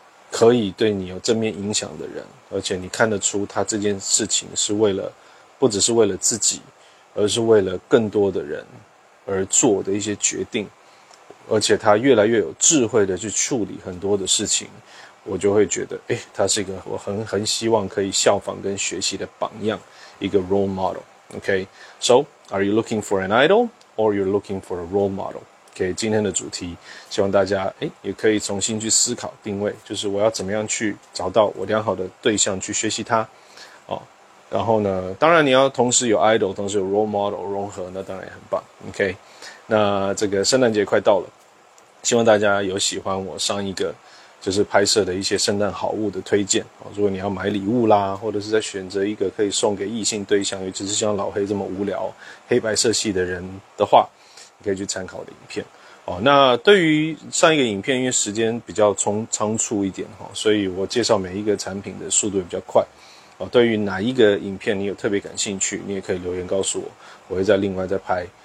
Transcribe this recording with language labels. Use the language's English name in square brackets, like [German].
[Chinese] 可以对你有正面影响的人，而且你看得出他这件事情是为了，不只是为了自己，而是为了更多的人而做的一些决定，而且他越来越有智慧的去处理很多的事情，我就会觉得他是一个我很希望可以效仿跟学习的榜样，一个 role model。 [English] OK， So are you looking for an idol or you're looking for a role model？ [Chinese] Okay, 今天的主题希望大家也可以重新去思考定位，就是我要怎么样去找到我良好的对象去学习它、然后呢，当然你要同时有 idol 同时有 role model 融合，那当然也很棒。 OK， 那这个圣诞节快到了，希望大家有喜欢我上一个就是拍摄的一些圣诞好物的推荐、如果你要买礼物啦，或者是在选择一个可以送给异性对象，尤其是像老黑这么无聊黑白色系的人的话，可以去参考的影片、那对于上一个影片，因为时间比较仓促一点、所以我介绍每一个产品的速度也比较快、对于哪一个影片你有特别感兴趣，你也可以留言告诉我，我会再另外再拍